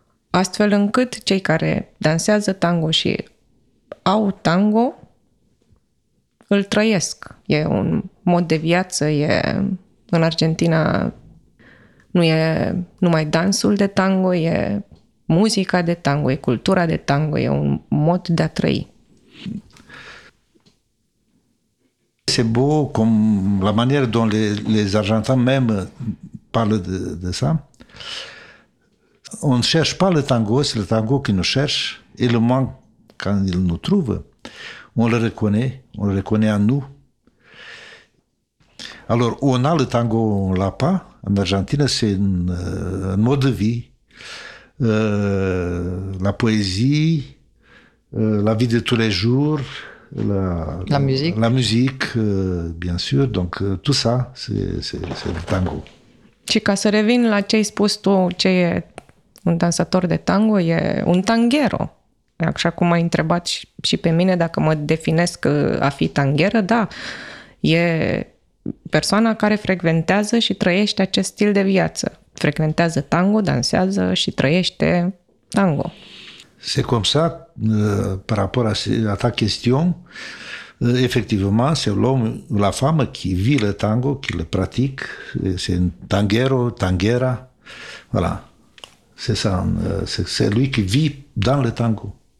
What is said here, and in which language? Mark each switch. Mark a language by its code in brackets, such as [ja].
[ro] Astfel încât cei care dansează tango și au tango, îl trăiesc. E un mod de viață, e în Argentina nu e numai dansul de tango, e muzica de tango, e cultura de tango, e un mod de a trăi. [fr] C'est beau cum la manière dont les Argentins même parlent de ça. On ne cherche pas le tango, c'est le tango qui nous cherche, et le moment quand il nous trouve, on le reconnaît en nous. Alors, on a le tango, on l'a pas. En Argentine, c'est un mode de vie. La poésie, la vie de tous les jours, la musique. La musique, bien sûr. Donc, tout ça, c'est le tango. [ro] Și ca să revin la ce ai spus tu, ce e un dansator de tango, e un tanghero. Așa cum ai întrebat și pe mine dacă mă definesc a fi tangheră, da. E persoana care frecventează și trăiește acest stil de viață. Frecventează tango, dansează și trăiește tango. [fr] C'est comme ça, par rapport à ta question, effectivement, c'est l'homme, la femme qui vit le tango, qui le pratique, c'est un tanguero, tanguera, voilà, c'est ça, c'est lui qui vit dans le tango.